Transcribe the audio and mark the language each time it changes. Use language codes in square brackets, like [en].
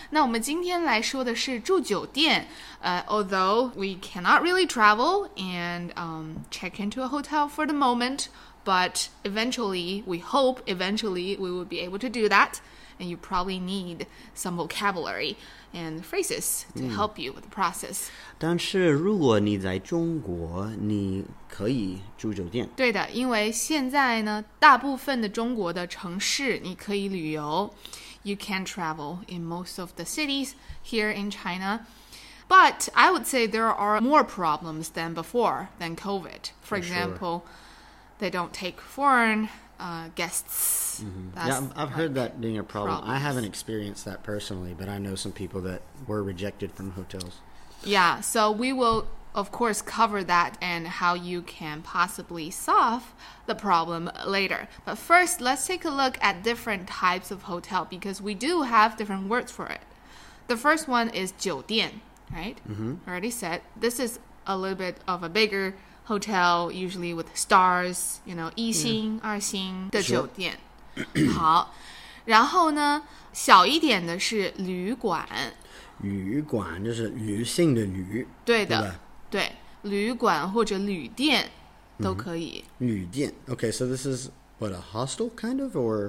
[zh] 那我们今天来说的是住酒店、 [en] although we cannot really travel and check into a hotel for the moment, but eventually, we hope eventually we will be able to do that, and you probably need some vocabulary and phrases to help you with the process. [zh] 但是如果你在中国你可以住酒店对的因为现在呢大部分的中国的城市你可以旅游 [en] You can travel in most of the cities here in China But I would say there are more problems than before than COVID For example, sure. they don't take foreign guests Yeah, I've like heard that being a problem、problems. I haven't experienced that personally But I know some people that were rejected from hotels Yeah, so we willOf course, cover that and how you can possibly solve the problem later. But first, let's take a look at different types of hotel because we do have different words for it. The first one is 酒店, right? Already said, this is a little bit of a bigger hotel, usually with stars, you know, [zh] 一星、二星的酒店。好，然后呢，小一点的是旅馆。旅馆就是旅行的旅。对的。对，旅馆或者旅店都可以。 [en] 旅店 ，Okay, so this is what a hostel kind of or